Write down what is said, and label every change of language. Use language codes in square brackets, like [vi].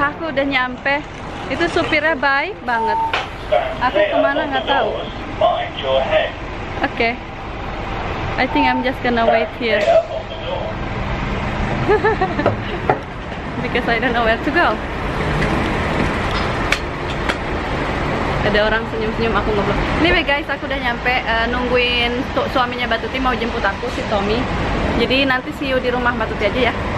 [id] Udah nyampe, itu supirnya baik banget. Aku kemana nggak tahu. [en] Oke, okay. I think I'm just gonna wait here because I don't know where to go. [id] Ada orang senyum-senyum, aku ngobrol. Anyway guys, aku udah nyampe, nungguin suaminya Mbak Tuti mau jemput aku, si Tommy. Jadi nanti [en] see you [id] di rumah Mbak Tuti aja ya.